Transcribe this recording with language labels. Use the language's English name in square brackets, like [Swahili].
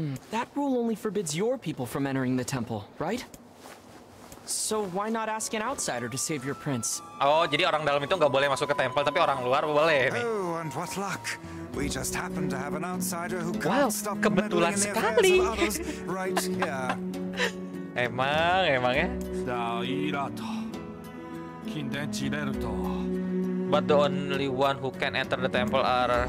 [English] That rule only forbids your people from entering the temple, right? So why not ask an outsider to save your prince? [Indonesian] Oh, jadi orang dalam itu nggak boleh masuk ke temple, tapi orang luar boleh nih. [English] Oh, and what luck. We just happen to have an outsider who can't stop [Indonesian] kebetulan sekali. [English] Right here. [Indonesian] Emang ya? Dairato. Kinden jireruto. [English] But the only one who can enter the temple are